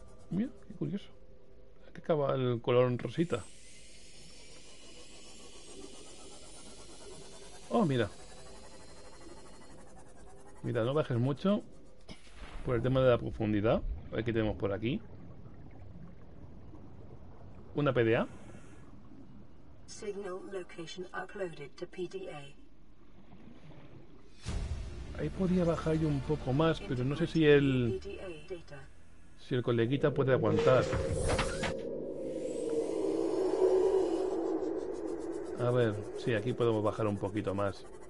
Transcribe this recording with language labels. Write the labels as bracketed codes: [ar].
[es] Mira, qué curioso. Acaba el color rosita. Oh, mira. Mira, no bajes mucho por el tema de la profundidad. A ver qué tenemos por aquí. Una PDA. [en] Signal location uploaded to PDA. [es] Ahí podría bajar yo un poco más, pero no sé si el. Si el coleguita puede aguantar. A ver, sí, aquí podemos bajar un poquito más.